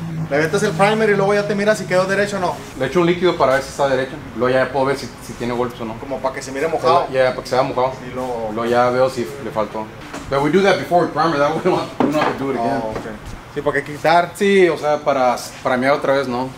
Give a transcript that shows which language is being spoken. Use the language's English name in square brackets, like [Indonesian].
[Spanish] Le metes el primer y luego ya te miras si quedó derecho o no. Le echo un líquido para ver si está derecho. Luego ya puedo ver si tiene golpes o no. Como para que se mire mojado. Ya, para que se vea mojado. Y luego ya veo si le faltó. [English] But we do that before we primer, that way we don't have to do it again. Oh, okay. [Spanish] Sí, para que quitar. Sí, o sea, para mirar otra vez, ¿no?